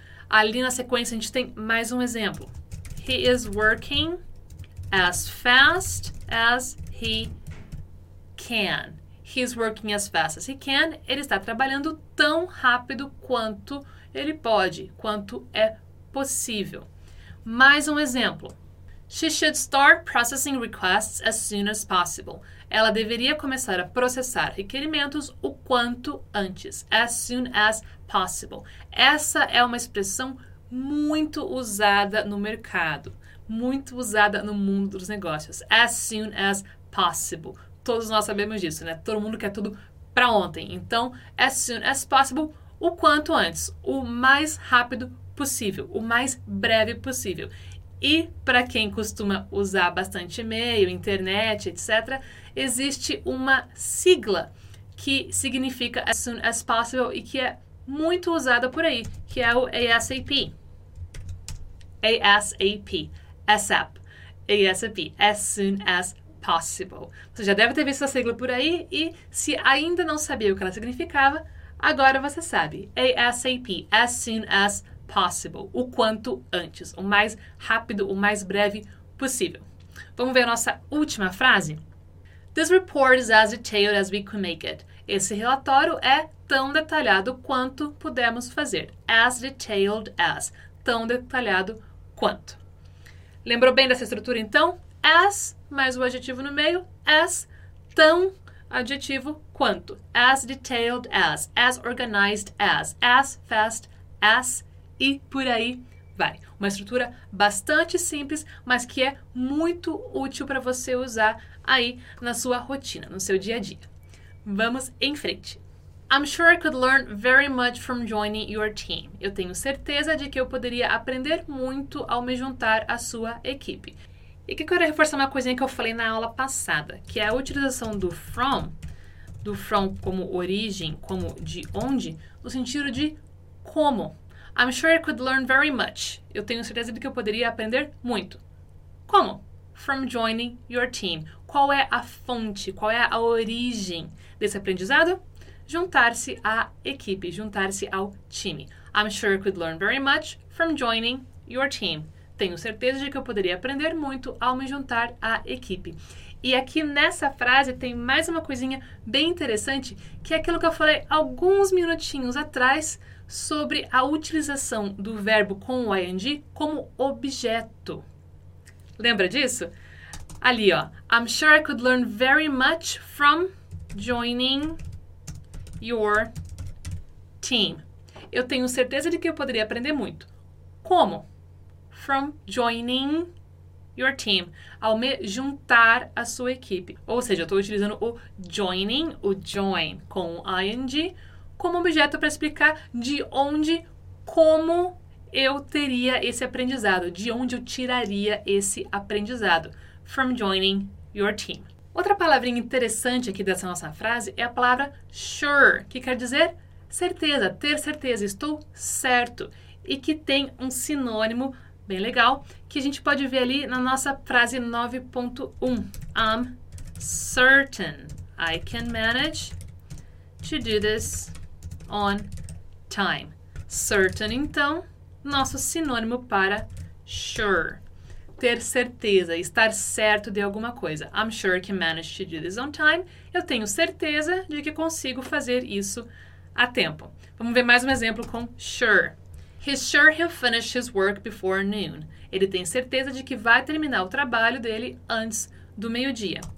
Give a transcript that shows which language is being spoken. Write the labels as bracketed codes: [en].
[pt] Ali na sequência, a gente tem mais um exemplo. [en] He is working as fast as he can. He is working as fast as he can. [pt] Ele está trabalhando tão rápido quanto ele pode, quanto é possível. Mais um exemplo. [en] She should start processing requests as soon as possible. [pt] Ela deveria começar a processar requerimentos o quanto antes. [en] As soon as possible. [pt] Essa é uma expressão muito usada no mercado. Muito usada no mundo dos negócios. [en] As soon as possible. [pt] Todos nós sabemos disso, né? Todo mundo quer tudo para ontem. Então, [en] as soon as possible, [pt] o quanto antes. O mais rápido possível. O mais breve possível. E para quem costuma usar bastante e-mail, internet, etc., existe uma sigla que significa [en] as soon as possible [pt] e que é muito usada por aí, que é o ASAP. [en] ASAP. ASAP. ASAP. As soon as possible. [pt] Você já deve ter visto essa sigla por aí e se ainda não sabia o que ela significava, agora você sabe. ASAP. [en] As soon as possible. Possible, [pt] o quanto antes, o mais rápido, o mais breve possível. Vamos ver a nossa última frase? [en] This report is as detailed as we could make it. [pt] Esse relatório é tão detalhado quanto pudemos fazer. [en] As detailed as, [pt] tão detalhado quanto. Lembrou bem dessa estrutura, então? As, mais o adjetivo no meio, as, tão, adjetivo, quanto. [en] As detailed as organized as fast as. [pt] E por aí vai. Uma estrutura bastante simples, mas que é muito útil para você usar aí na sua rotina, no seu dia a dia. Vamos em frente. [en] I'm sure I could learn very much from joining your team. [pt] Eu tenho certeza de que eu poderia aprender muito ao me juntar à sua equipe. E aqui eu quero reforçar uma coisinha que eu falei na aula passada, que é a utilização do from como origem, como de onde, no sentido de como. [en] I'm sure I could learn very much. [pt] Eu tenho certeza de que eu poderia aprender muito. Como? [en] From joining your team. [pt] Qual é a fonte, qual é a origem desse aprendizado? Juntar-se à equipe, juntar-se ao time. [en] I'm sure I could learn very much from joining your team. [pt] Tenho certeza de que eu poderia aprender muito ao me juntar à equipe. E aqui nessa frase tem mais uma coisinha bem interessante, que é aquilo que eu falei alguns minutinhos atrás sobre a utilização do verbo com o ing como objeto. Lembra disso? Ali, ó. [en] I'm sure I could learn very much from joining your team. [pt] Eu tenho certeza de que eu poderia aprender muito. Como? [en] From joining your team. [pt] Ao me juntar à sua equipe. Ou seja, eu estou utilizando o joining, o join com ing, como objeto para explicar de onde, como eu teria esse aprendizado, de onde eu tiraria esse aprendizado. [en] From joining your team. [pt] Outra palavrinha interessante aqui dessa nossa frase é a palavra sure, que quer dizer certeza, ter certeza, estou certo. E que tem um sinônimo bem legal, que a gente pode ver ali na nossa frase 9.1. [en] I'm certain I can manage to do this on time. [pt] Certain, então, nosso sinônimo para sure. Ter certeza, estar certo de alguma coisa. [en] I'm sure I can manage to do this on time. [pt] Eu tenho certeza de que consigo fazer isso a tempo. Vamos ver mais um exemplo com sure. [en] He's sure he'll finish his work before noon. [pt] Ele tem certeza de que vai terminar o trabalho dele antes do meio-dia.